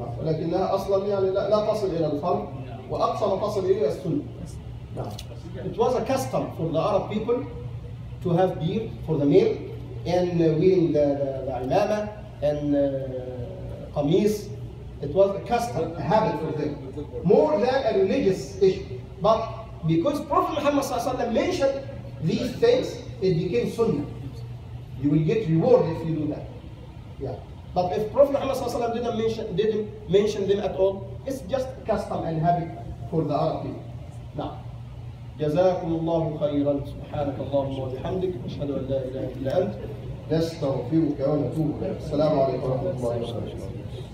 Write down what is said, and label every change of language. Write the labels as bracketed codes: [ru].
[ar] لكنها أصلا يعني لا تصل إلى الفرض وأقصى ما تصل إليه السنة. نعم. [en] It was a custom for the Arab people to have beard for the male and wearing the imama and qamis. It was a custom, a habit for them, more than a religious issue. But because Prophet Muhammad mentioned these things, it became sunnah. You will get reward if you do that. Yeah. But if Prophet Muhammad didn't mention them at all, it's just custom and habit for the Arab people. [ar] Now, جزاكم الله خيرا سبحانك اللهم وبحمدك اشهد ان لا اله الا انت نستغفرك ونتوب اليك السلام عليكم ورحمه الله وبركاته